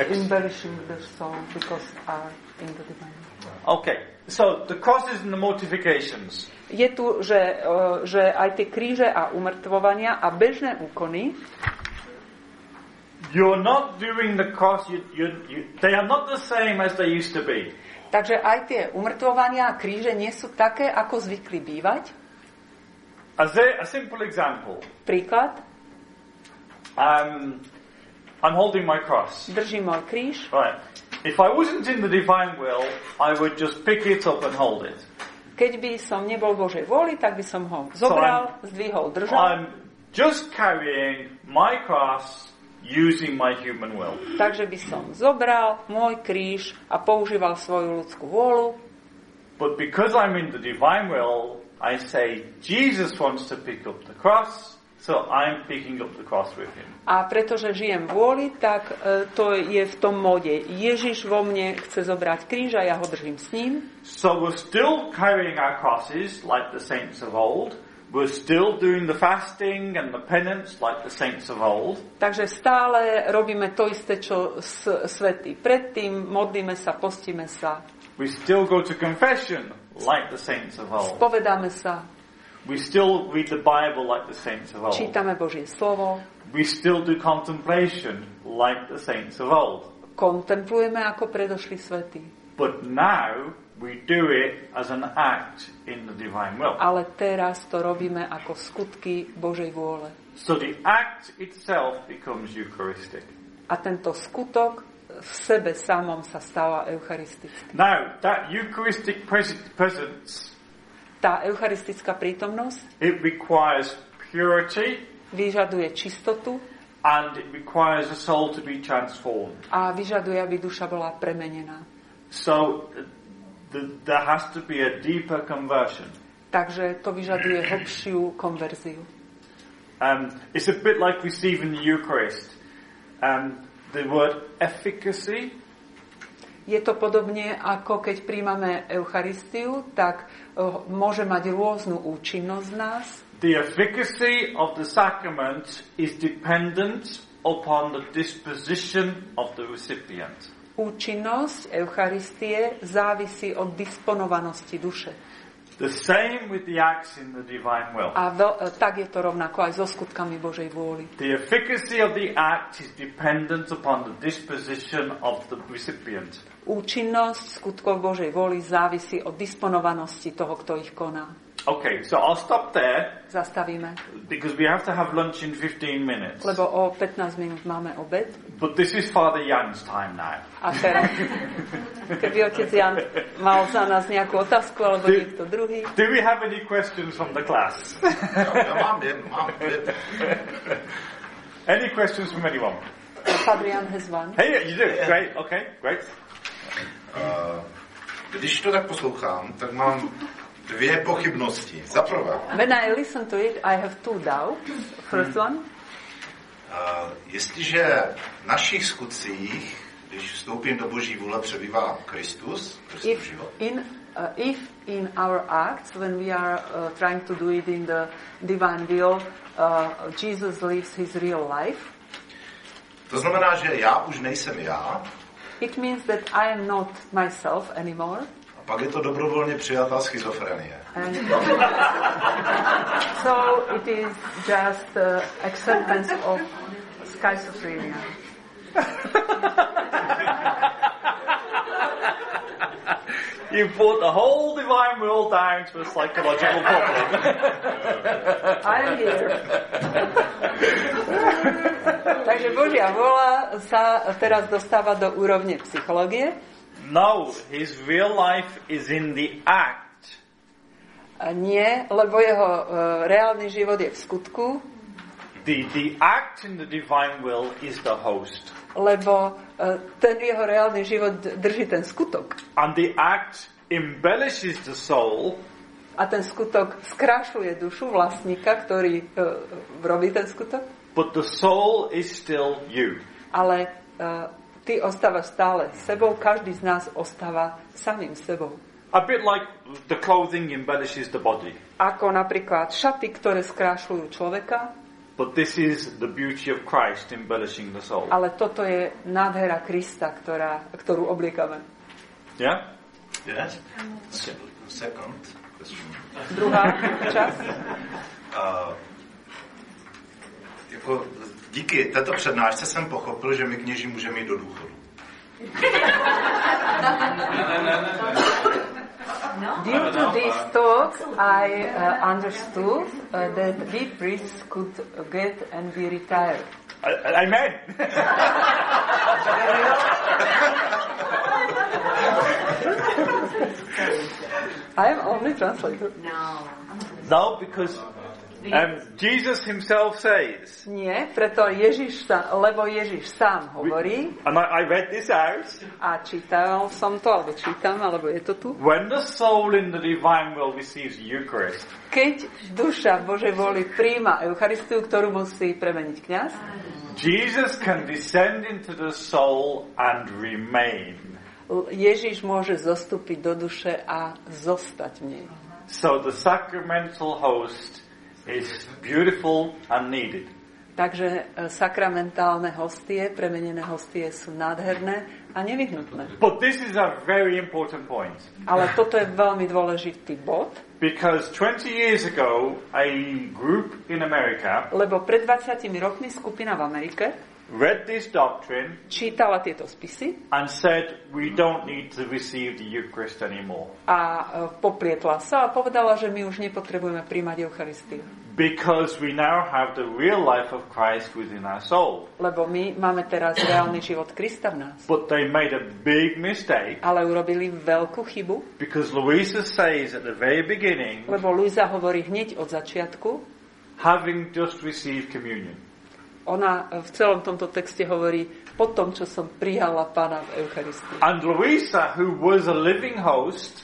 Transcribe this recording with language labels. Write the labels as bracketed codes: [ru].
[en] Are embellishing the soul because are in the divine. Okay. So the crosses and the mortifications. [sk] Je tu, že aj tie kríže a umrtvovania a bežné úkony. [en] You're not doing the cross. They are not the same as they used to be. [sk] Takže aj tie umrtvovania a kríže nie sú také, ako zvykli bývať. [en] As a simple example. [sk] Príklad. [en] I'm holding my cross. [sk] Držím môj kríž. [en] Right. If I wasn't in the divine will, I would just pick it up and hold it. [sk] Keď by som nebol v Božej vôli, tak by som ho zobral, zdvihol, držal. [en] I'm just carrying my cross using my human will. [sk] Takže by som zobral môj kríž a používal svoju ľudskú vôľu. [en] But because I'm in the divine will, I say Jesus wants to pick up the cross, so I'm picking up the cross with him. [sk] A pretože žijem vôli, tak to je v tom mode. Ježiš vo mne chce zobrať kríž a ja ho držím s ním. [en] So we're still carrying our crosses like the saints of old. We're still doing the fasting and the penance like the saints of old. [sk] Takže stále robíme to isté, čo svätí predtým, modlíme sa, postíme sa. [en] We still go to confession like the saints of old. [sk] Spovedáme sa. [en] We still read the Bible like the saints of old. [sk] Čítame Božie slovo. [en] We still do contemplation like the saints of old. [sk] Kontemplujeme ako predošli svätí. [en] But now we do it as an act in the divine will. [sk] Ale teraz to robíme ako skutky Božej vôle. [en] So the act itself becomes eucharistic. [sk] A tento skutok v sebe samom sa stáva eucharistický. [en] Now that eucharistic presence, [sk] tá eucharistická prítomnosť, [en] it requires purity, [sk] vyžaduje čistotu, [en] and it requires a soul to be transformed. [sk] A vyžaduje, aby duša bola premenená. [en] So there has to be a deeper conversion. [sk] Takže to vyžaduje hlbšiu konverziu. [en] It's a bit like receiving the Eucharist. The word efficacy. [sk] Je to podobne, ako keď príjmame Eucharistiu, tak môže mať rôznu účinnosť v nás. [en] The efficacy of the sacrament is dependent upon the disposition of the recipient. [sk] Účinnosť Eucharistie závisí od disponovanosti duše. [en] The same with the acts in the divine will. [sk] A tak je to rovnako aj so skutkami Božej vôly. [en] The efficacy of the act is dependent upon the disposition of the recipient. [sk] Účinnosť skutkov Božej vôly závisí od disponovanosti toho, kto ich koná. [en] Okay, so I'll stop there. [sk] Zastavíme. [en] Because we have to have lunch in 15 minutes. [sk] Lebo o 15 minút máme obed. [en] But this is Father Jan's time now. [sk] A teraz. Keby otec Jan mal za nás nejakú otázku, alebo niekto druhý. [en] Do we have any questions from the class? [sk] Mám jednu. [en] Any questions from anyone? Father Jan has one. Hey, you do. Great, okay, great. [cs] Když to tak poslouchám, tak mám dvě pochybnosti. Za prvé. [en] When I listen to it, I have two doubts. First one. [cs] Jestliže v našich skutcích, když vstoupím do Boží vůle, přebývá Kristus, Kristův život. [en] If in our acts, when we are trying to do it in the divine will, Jesus lives his real life. [cs] To znamená, že já už nejsem já. [en] It means that I am not myself anymore. [cs] Pak je to dobrovolně přijatá schizofrenie. [en] So it is just acceptance of schizophrenia. You put the whole divine world down to a psychological problem. I am here. [sk] Takže Božia vola sa teraz dostáva do úrovne psychológie. [en] No, his real life is in the act. [sk] Nie, lebo jeho reálny život je v skutku. [en] The act in the divine will is the host. [sk] Lebo ten jeho reálny život drží ten skutok. [en] And the act embellishes the soul. [sk] A ten skutok skrášľuje dušu vlastníka, ktorý robí ten skutok. [en] But the soul is still you. [sk] Ale ty ostávaš stále sebou, každý z nás ostáva samým sebou. [en] A bit like the clothing embellishes the body. [sk] Ako napríklad šaty, ktoré skrášľujú človeka. [en] But this is the beauty of Christ embellishing the soul. [sk] Ale toto je nádhera Krista, ktorú obliekame. [en] Yeah? Yes. Second question. [sk] Druhá čas. [cs] Díky této přednášce jsem pochopil, že my kněží můžeme jít do důchodu. [en] Due to this talk, I understood that we priests could get and be retired. Amen! I am only translator. No, because Jesus himself says. [sk] Nie, preto Ježiš sa, lebo Ježiš sám hovorí. [en] I read this out. [sk] A čítal som to, alebo čítam, alebo je to tu. [en] When the soul in the divine will receives Eucharist. [sk] Keď duša Božej vôli prijíma Eucharistiu, ktorú musí premeniť kňaz. [en] Jesus can descend into the soul and remain. [sk] Ježiš môže zostúpiť do duše a zostať v nej. [en] So the sacramental host is beautiful and needed. [sk] Takže sakramentálne hostie, premenené hostie sú nádherné a nevyhnutné. [en] But this is a very important point. [sk] Ale toto je veľmi dôležitý bod. [en] Because 20 years ago a group in America, [sk] lebo pred 20 rokmi skupina v Amerike, [en] read this doctrine, [sk] čítala tieto spisy, [en] and said we don't need to receive the Eucharist anymore. [sk] A poplietla sa a povedala, že my už nepotrebujeme prijímať Eucharistiu. [en] Because we now have the real life of Christ within our soul. [sk] Lebo my máme teraz reálny život Krista v nás. [en] But they made a big mistake. [sk] Ale urobili veľkú chybu. [en] Because Luisa says at the very beginning. [sk] Lebo Luisa hovorí hneď od začiatku. [en] Having just received communion. [sk] Ona v celom tomto texte hovorí po tom, čo som prijala Pána v Eucharistii. [en] And Luisa, who was a living host,